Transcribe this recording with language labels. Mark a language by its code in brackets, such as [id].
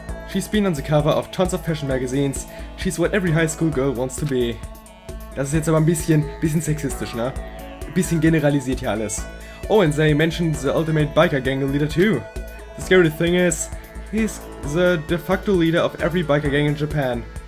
[en] She's been on the cover of tons of fashion magazines. She's what every high school girl wants to be. [de] Das ist jetzt aber ein bisschen sexistisch, ne? Bisschen generalisiert hier alles. [en] Oh, and they mentioned the ultimate biker gang leader too. The scary thing is, he's the de facto leader of every biker gang in Japan.